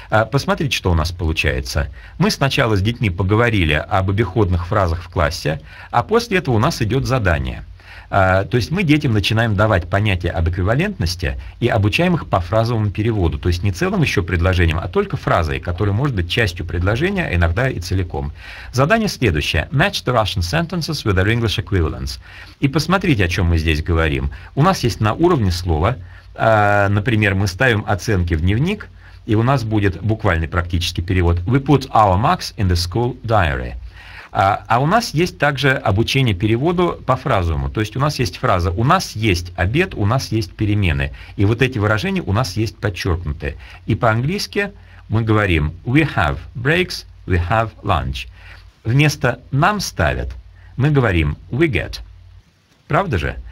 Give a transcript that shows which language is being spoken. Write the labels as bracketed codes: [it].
[ru] Посмотрите, что у нас получается. Мы сначала с детьми поговорили об обиходных фразах в классе, а после этого у нас идет задание. То есть мы детям начинаем давать понятие об эквивалентности и обучаем их по фразовому переводу, то есть не целым еще предложением, а только фразой, которая может быть частью предложения, иногда и целиком. Задание следующее. [en] Match the Russian sentences with their English equivalents. [ru] И посмотрите, о чем мы здесь говорим. У нас есть на уровне слова, например, мы ставим оценки в дневник, и у нас будет буквальный практический перевод. [en] We put our marks in the school diary. [ru] А у нас есть также обучение переводу по фразовому. То есть у нас есть фраза «у нас есть обед», «у нас есть перемены». И вот эти выражения у нас есть подчеркнуты. И по-английски мы говорим [en] «we have breaks», «we have lunch». [ru] Вместо «нам ставят» мы говорим [en] «we get». [ru] Правда же?